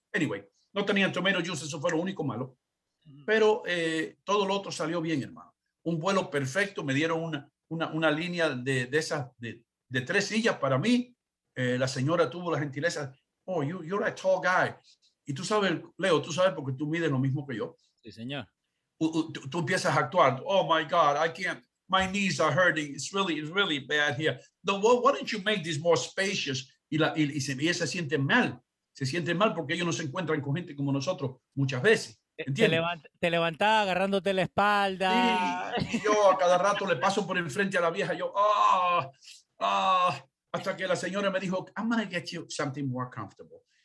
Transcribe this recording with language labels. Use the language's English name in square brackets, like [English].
[Spanish] Anyway, no tenían tomato juice, eso fue lo único malo. Pero todo lo otro salió bien, hermano. Un vuelo perfecto, me dieron una línea de esas de 3 sillas para mí. La señora tuvo la gentileza, [English] oh, you're a tall guy. [Spanish] Y tú sabes, Leo, tú sabes porque tú mides lo mismo que yo. Sí, señor. Tú empiezas a actuar, [English] oh my God, I can't, my knees are hurting, it's really bad here. Why don't you make this more spacious? [Spanish] Y se siente mal, porque ellos no se encuentran con gente como nosotros muchas veces. Te levantaba agarrándote la espalda. Sí, yo a cada rato le paso por enfrente a la vieja. Yo, hasta que la señora me dijo, [English] I'm going to get you something more comfortable.